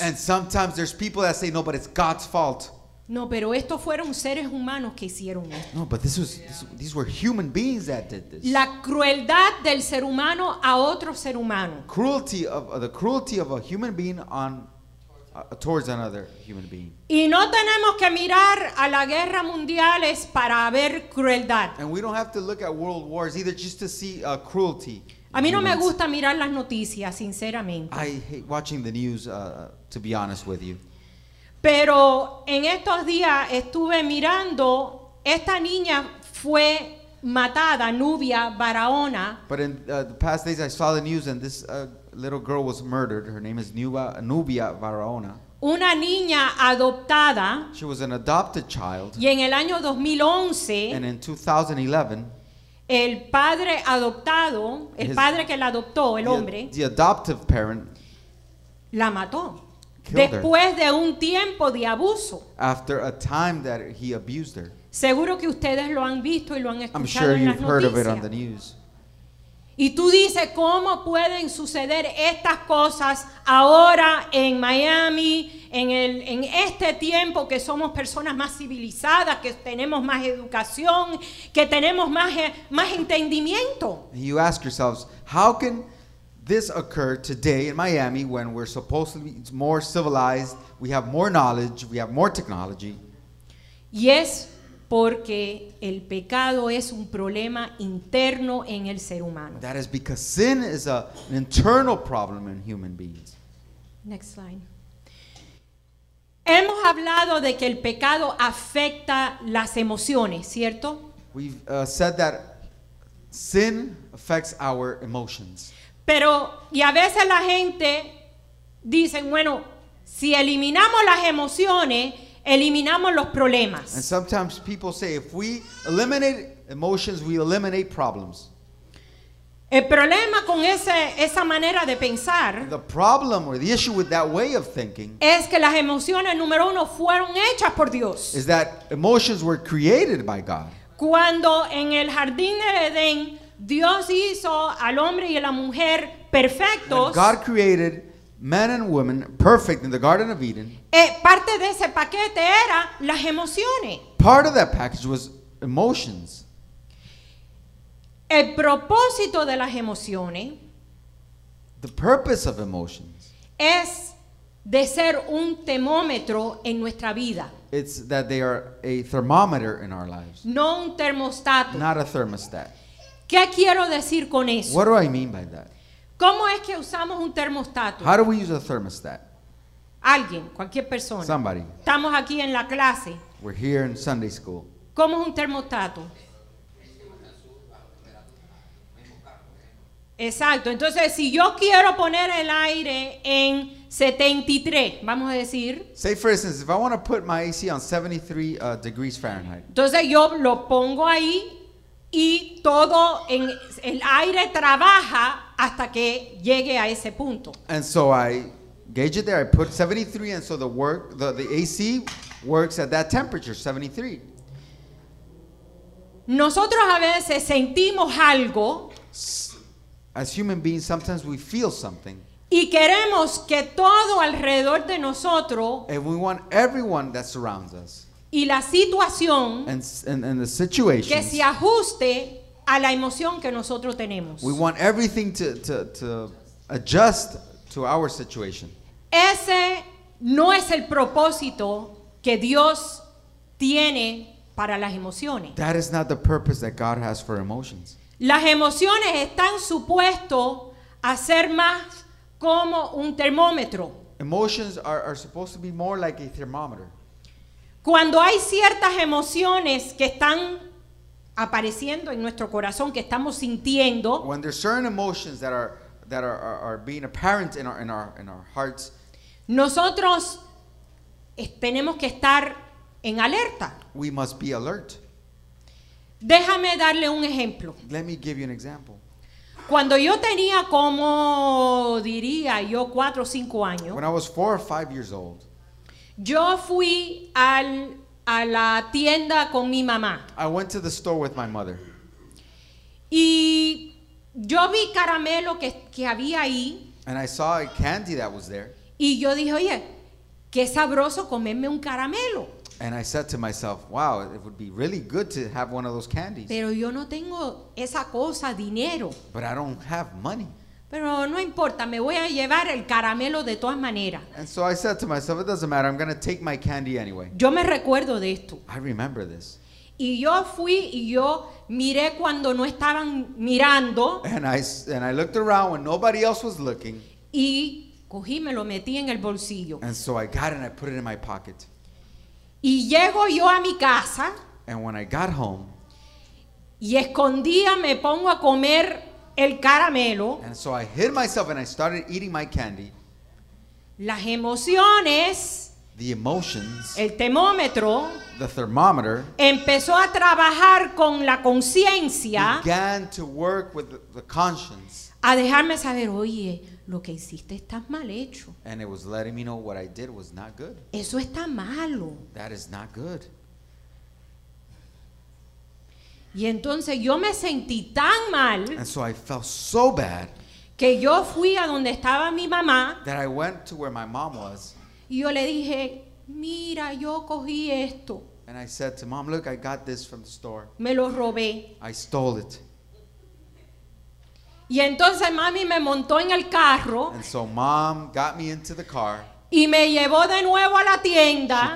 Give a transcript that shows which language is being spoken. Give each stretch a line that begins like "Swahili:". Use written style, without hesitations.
English: And sometimes there's people that say, no, but it's God's fault.
Spanish: No, pero estos fueron seres humanos que hicieron esto.
English: No, but this was, these were human beings that did this.
Spanish: La crueldad del ser humano a otro ser humano.
English: The cruelty of a human being towards another human being.
Spanish: Y no tenemos que mirar a la guerra mundial es para ver crueldad.
English: And we don't have to look at world wars either just to see cruelty.
Spanish: A mí no me gusta mirar las noticias, sinceramente.
English: I hate watching the news, to be honest with you.
Spanish: Pero en estos días estuve mirando, esta niña fue matada, Nubia Barahona.
English: But in the past days I saw the news and this little girl was murdered. Her name is Nubia Barahona.
Spanish: Una niña adoptada.
English: She was an adopted child.
Spanish: Y en el año 2011.
English: And in 2011.
Spanish: El padre adoptado, el padre que la adoptó, el hombre,
English: the adoptive parent,
Spanish: la mató.
English: Killed
Spanish: después
English: her.
Spanish: De un tiempo de abuso.
English: After a time that he abused her.
Spanish: Seguro que ustedes lo han visto y lo han escuchado en las noticias.
English: I'm sure you've heard of it on the news.
Spanish: Y tú dices, ¿cómo pueden suceder estas cosas ahora en Miami, en este tiempo que somos personas más civilizadas, que tenemos más educación, que tenemos más entendimiento?
English: You ask yourselves, how can this occur today in Miami when we're supposedly more civilized, we have more knowledge, we have more technology? Yes.
Spanish: Porque el pecado es un problema interno en el ser humano.
English: That is because sin is an internal problem in human beings. Next slide.
Spanish: Hemos hablado de que el pecado afecta las emociones, ¿cierto?
English: We've said that sin affects our emotions.
Spanish: Pero, y a veces la gente dice, bueno, si eliminamos las emociones, eliminamos los problemas.
English: And sometimes people say if we eliminate emotions, we eliminate problems.
Spanish: El problema con esa manera de pensar,
English: the problem or the issue with that way of thinking,
Spanish: es que las emociones número uno fueron hechas por Dios.
English: Is that emotions were created by God.
Spanish: Cuando en el jardín de Edén Dios hizo al hombre y a la mujer perfectos,
English: when God created men and women perfect in the Garden of Eden,
Spanish: parte de ese paquete era las emociones.
English: Part of that package was emotions.
Spanish: El propósito de las emociones,
English: the purpose of emotions,
Spanish: es de ser un termómetro en nuestra vida.
English: It's that they are a thermometer in our lives.
Spanish: No un termostato.
English: Not a thermostat.
Spanish: ¿Qué quiero decir con eso?
English: What do I mean by that?
Spanish: ¿Cómo es que usamos un termostato?
English: How do we use a thermostat?
Spanish: Alguien, cualquier persona.
English: Somebody.
Spanish: Estamos aquí en la clase.
English: We're here in Sunday school.
Spanish: ¿Cómo es un termostato? Exacto. Entonces, si yo quiero poner el aire en 73, vamos a decir.
English: Say for instance, if I want to put my AC on 73 degrees Fahrenheit.
Spanish: Entonces, yo lo pongo ahí y todo en el aire trabaja hasta que llegue a ese punto.
English: And so I gauge it there. I put 73, and so the AC works at that temperature, 73.
Spanish: Nosotros a veces sentimos algo.
English: As human beings, sometimes we feel something.
Spanish: Y queremos que todo alrededor de nosotros.
English: And we want everyone that surrounds us.
Spanish: Y la situación.
English: And the situation.
Spanish: Que se ajuste a la emoción que nosotros tenemos.
English: We want everything to adjust to our situation.
Spanish: Ese no es el propósito que Dios tiene para las emociones.
English: That is not the purpose that God has for emotions.
Spanish: Las emociones están supuestos a ser más como un termómetro.
English: Emotions are supposed to be more like a thermometer.
Spanish: Cuando hay ciertas emociones que están apareciendo en nuestro corazón que estamos sintiendo,
English: when there are certain emotions that are being apparent in our hearts,
Spanish: nosotros tenemos que estar en alerta.
English: We must be alert.
Spanish: Déjame darle un ejemplo.
English: Let me give you an example.
Spanish: Cuando yo tenía como diría yo 4 o 5 años,
English: when I was 4 or 5 years old,
Spanish: yo fui a la tienda con mi mamá.
English: I went to the store with my mother.
Spanish: Y yo vi caramelo que había ahí.
English: And I saw a candy that was there.
Spanish: Y yo dije, oye, qué sabroso comerme un caramelo.
English: And I said to myself, wow, it would be really good to have one of those candies.
Spanish: Pero yo no tengo esa cosa, dinero.
English: But I don't have money.
Spanish: Pero no importa, me voy a llevar el caramelo de todas maneras.
English: And so I said to myself, it doesn't matter, I'm going to take my candy anyway.
Spanish: Yo me recuerdo de esto.
English: I remember this.
Spanish: Y yo fui y yo miré cuando no estaban mirando.
English: And I looked around when nobody else was looking.
Spanish: Y cogí, me lo metí en el bolsillo.
English: And so I got it and I put it in my pocket.
Spanish: Y llego yo a mi casa.
English: And when I got home.
Spanish: Y escondía, me pongo a comer el caramelo.
English: And so I hid myself and I started eating my candy.
Spanish: Las emociones.
English: The emotions.
Spanish: El termómetro.
English: The thermometer.
Spanish: Empezó a trabajar con la conciencia.
English: Began to work with the conscience.
Spanish: A dejarme saber, oye, lo que hiciste está mal hecho.
English: And it was letting me know what I did was not good.
Spanish: Eso está malo.
English: That is not good.
Spanish: Y entonces yo me sentí tan mal.
English: And so I felt so bad.
Spanish: Que yo fui a donde estaba mi mamá.
English: That I went to where my mom was.
Spanish: Y yo le dije, mira, yo cogí esto.
English: And I said to mom, look, I got this from the store.
Spanish: Me lo robé.
English: I stole it.
Spanish: Y entonces mami me montó en el carro.
English: And so mom got me into the car.
Spanish: Y me llevó de nuevo a la tienda.